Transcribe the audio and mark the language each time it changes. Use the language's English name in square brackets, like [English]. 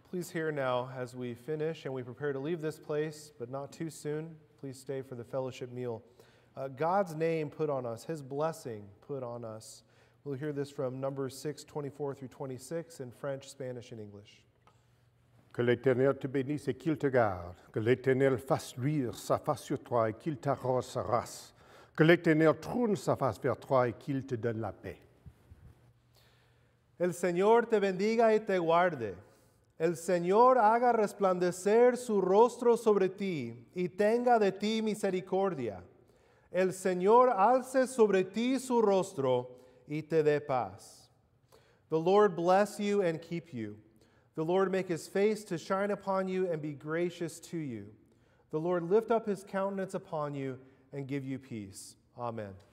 [English] Here now, as we finish and we prepare to leave this place, but not too soon, please stay for the fellowship meal. God's name put on us, his blessing put on us. We'll hear this from Numbers 6, 24 through 26 in French, Spanish, and English. [French] Que l'Éternel te bénisse et qu'il te garde. Que l'Éternel fasse luire sa face sur toi et qu'il t'arrose sa race. Que l'Éternel tourne sa face vers toi et qu'il te donne la paix. [Spanish] El Señor te bendiga y te guarde. El Señor haga resplandecer su rostro sobre ti y tenga de ti misericordia. El Señor alce sobre ti su rostro y te dé paz. [English] The Lord bless you and keep you. The Lord make his face to shine upon you and be gracious to you. The Lord lift up his countenance upon you and give you peace. Amen.